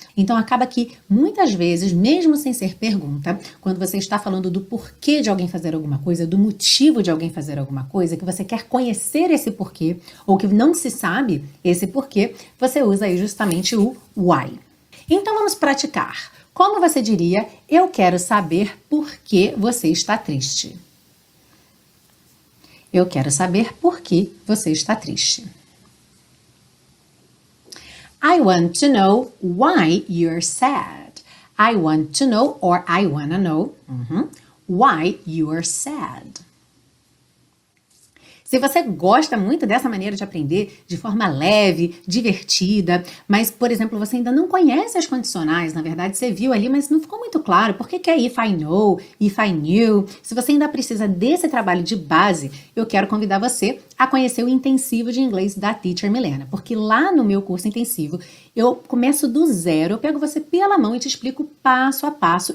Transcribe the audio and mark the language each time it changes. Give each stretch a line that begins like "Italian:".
Portuguese: Então, acaba que muitas vezes, mesmo sem ser pergunta, quando você está falando do porquê de alguém fazer alguma coisa, do motivo de alguém fazer alguma coisa, que você quer conhecer esse porquê, ou que não se sabe esse porquê, você usa aí justamente o why. Então, vamos praticar. Como você diria, eu quero saber por que você está triste? Eu quero saber por que você está triste.
English: I want to know why you're sad. I want to know, or I wanna know, why you're sad.
Portuguese: Se você gosta muito dessa maneira de aprender de forma leve, divertida, mas, por exemplo, você ainda não conhece as condicionais, na verdade, você viu ali, mas não ficou muito claro por que que é
English: if I know, if I knew.
Portuguese: Se você ainda precisa desse trabalho de base, eu quero convidar você a conhecer o intensivo de inglês da Teacher Milena, porque lá no meu curso intensivo eu começo do zero, eu pego você pela mão e te explico passo a passo.